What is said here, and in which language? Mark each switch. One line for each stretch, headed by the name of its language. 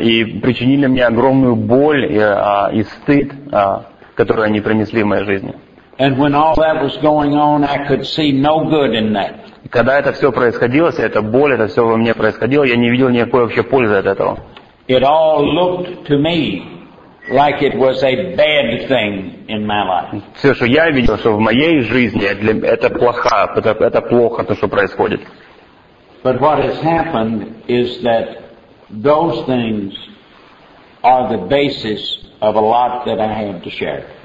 Russian: И причинили мне огромную боль и стыд, которые они принесли в моей жизни.
English: And when all that was going on, I could see no good in that.
Russian: Когда это все происходило, эта боль, это все во мне происходило, я не видел никакой вообще пользы от этого.
English: It all looked to me like it was a bad thing in my life.
Russian: Все, что я видел, что в моей жизни это плохо то, что происходит.
English: But what has happened is that those things are the basis of a lot that I have to share.